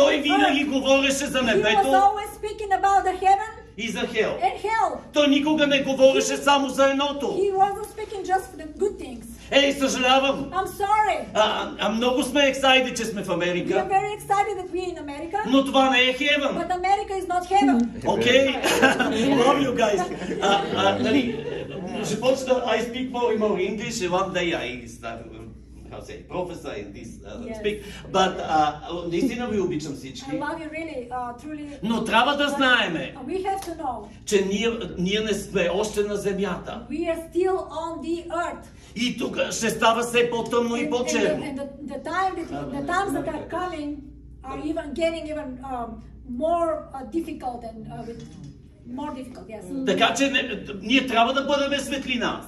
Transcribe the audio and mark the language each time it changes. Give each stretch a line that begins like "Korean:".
Bulgarian: той винаги говореше за небето.
English: He was always speaking about the heaven.
Bulgarian: И за хел.
English: And hell.
Bulgarian: Той никога не говореше само за едното.
English: He wasn't speaking just for the good things.
Bulgarian: Ей, съжалявам.
English: I'm sorry.
Bulgarian: А много сме excited, че сме в Америка.
English: We are very excited that we are in America.
Bulgarian: Но това не е heaven.
English: But America is not heaven. Okay. Love you guys. нали, suppose that I speak more and more English, one day I start, how say, prophesy in this yes. speak.
Bulgarian: But наистина ви обичам всички.
English: I love you really, truly.
Bulgarian: Но трябва да знаем,
English: we have to know,
Bulgarian: че ние не сме още на земята.
English: We are still on the earth.
Bulgarian: И тук ще става все по-тъмно и по-черно.
English: The times that are coming are even getting even more difficult and with more difficult, yes.
Bulgarian: Така че ние трябва да бъдем светлина.